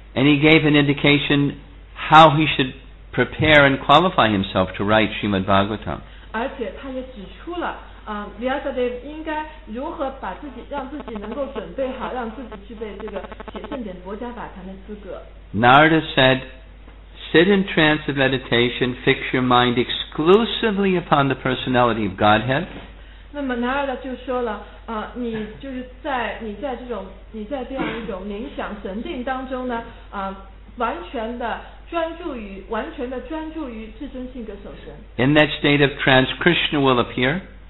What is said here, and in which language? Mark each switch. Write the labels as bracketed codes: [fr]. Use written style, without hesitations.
[en] And he gave an indication how he should prepare and qualify himself to write Srimad Bhagavatam. [zh] 而且他也指出了Vyasadev 应该如何把自己让自己能够准备好让自己具备这个写圣典博迦瓦坛的资格。 [en] Narada said, sit in trance of meditation, fix your mind exclusively upon the personality of Godhead. [zh] 那么 Narada 就说了你就是在你在这种你在这样一种冥想神定当中呢完全的专注于完全的专注于至尊性格所神。 [en] In that state of trance, Krishna will appear.